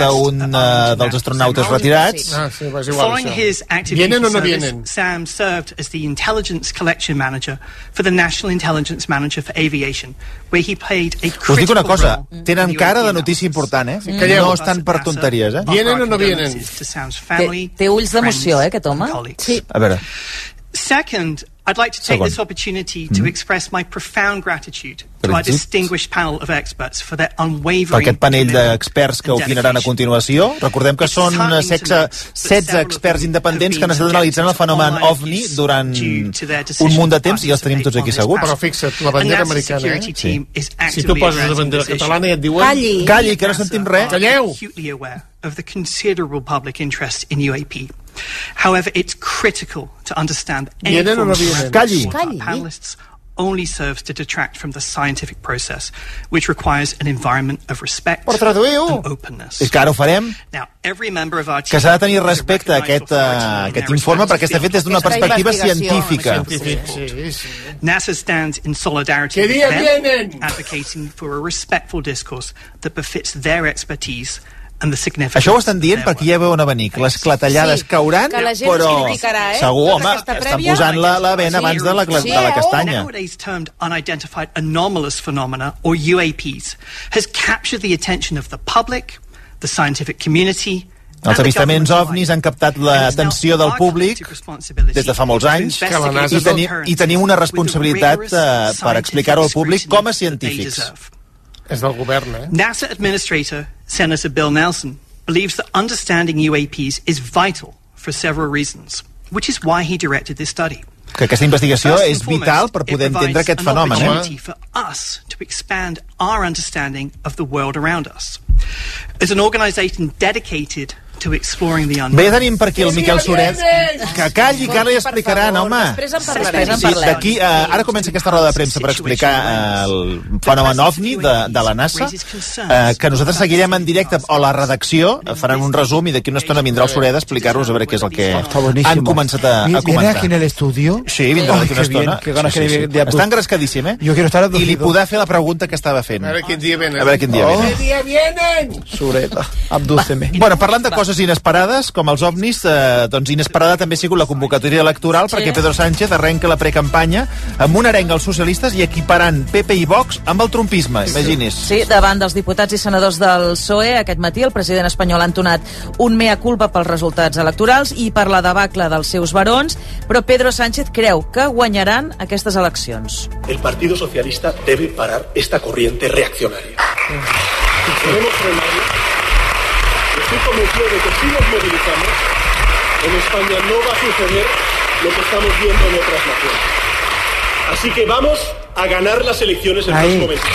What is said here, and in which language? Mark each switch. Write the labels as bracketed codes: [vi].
[ca] a un dels astronautes retirats. Ah, sí, igual, [en] following his active duty service, Sam served as the intelligence collection manager for the National Intelligence Manager for Aviation, where he played a critical role. [ca] Us dic una cosa, tenen cara de notícia important, eh? Sí, no estan per tonteries, eh? [es] Vienen o no vienen? [ca] Té ulls d'emoció, eh, que toma? Sí. A veure. [en] Second, I'd like to take this opportunity to express my profound gratitude to our distinguished panel of experts for their unwavering... [ca] Aquest panell d'experts que opinaran a continuació. Recordem que són 16 experts independents que han estat analitzant el fenomen OVNI durant un munt de temps i els tenim tots aquí asseguts. Però fixa't, la bandera americana, eh? Sí. Si tu poses la bandera catalana i et diuen... Calli! Calli, que no sentim res. Calleu! [en] ...of the considerable public interest in UAP. However, it's critical to understand any form of panelists only serves to detract from the scientific process, which requires an environment of respect and openness. [ca] És que ara ho farem. Que s'ha de tenir respecte a aquest informe, perquè està fet des d'una perspectiva científica. [en] NASA stands in solidarity with them, advocating for a respectful discourse that befits their expertise [ca] Això ho estan dient perquè ja veuen a venir que les clatellades cauran, que la gent però criticarà, eh? Segur, home, estan posant la vena sí, abans de la, sí, de la castanya. [en] Nowadays termed unidentified anomalous phenomena, or UAPs, has captured the attention of the public, the scientific community. [ca] Els avistaments ovnis han captat l'atenció del públic des de fa molts anys i tenim una responsabilitat per explicar-ho al públic com a científics. És del govern, eh? [en] NASA Administrator Senator Bill Nelson believes that understanding UAPs is vital for several reasons, which is why he directed this study. [ca] Que aquesta investigació és vital per poder entendre aquest fenomen, eh? [en] For us to expand our understanding of the world around us. As an organization dedicated to exploring the unknown. [ca] Bé, tenim per aquí el Miquel Soret. Que calli, que ara ja explicaran, home. Ara comença aquesta roda de premsa per explicar el fenomen ovni de la NASA, que nosaltres seguirem en directe a la redacció, faran un resum i d'aquí una estona vindrà el Soret a explicar-nos a veure què és el que han començat a comentar. [es] ¿Viene aquí en el estudio? [ca] Sí, vindrà d'aquí una estona. Està engrescadíssim, eh? I li podrà fer la pregunta que estava fent. A veure quin dia vénen. [es] Soret, abdúceme. [ca] Bueno, parlant de coses inesperades, com els ovnis, doncs inesperada també ha sigut la convocatòria electoral, sí, perquè Pedro Sánchez arrenca la precampanya amb una arenga als socialistes i equiparant PP i Vox amb el trumpisme, imagini's. Sí, davant dels diputats i senadors del PSOE, aquest matí el president espanyol ha entonat un mea culpa pels resultats electorals i per la debacle dels seus barons, però Pedro Sánchez creu que guanyaran aquestes eleccions. [es] El Partido Socialista debe parar esta corriente reaccionaria. Si queremos frenarla, estoy convencido de que si nos movilizamos, en España no va a suceder lo que estamos viendo en otras naciones. Así que vamos a ganar las elecciones en el próximo mes.